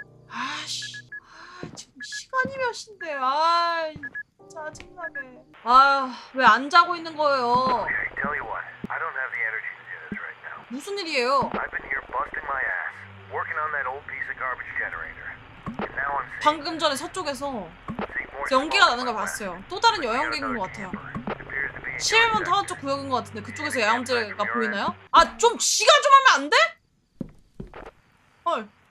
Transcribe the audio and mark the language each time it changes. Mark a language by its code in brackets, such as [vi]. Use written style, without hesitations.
[ko] 아씨, 아, 지금 시간이 몇 시인데? 아, 짜증나네. 아, 왜 안 자고 있는 거예요? [en] Okay, tell you what, I don't have the energy to do this right now. [ko] 무슨 일이에요? [en] I've been here busting my ass, working on that old piece of garbage generator. [ko] 방금 전에 서쪽에서 연기가 나는 걸 봤어요. 또 다른 여행객인 것 같아요. 시멜먼 타운쪽 구역인 것 같은데 그쪽에서 야영제가 보이나요? 아 좀 시간 좀 하면 안 돼? 헐.